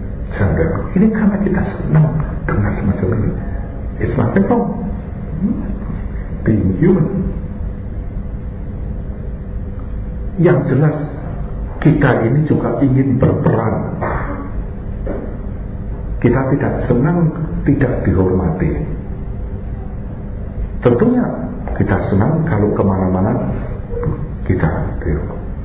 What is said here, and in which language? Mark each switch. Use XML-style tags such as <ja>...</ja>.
<id>Sanjungan ini karena kita senang dengan semacam ini.</id> <en>It's nothing wrong being human.</en> <id>Yang jelas kita ini juga ingin berperan. Kita tidak senang tidak dihormati. Tentunya kita senang kalau kemana-mana kita dihormati.</id>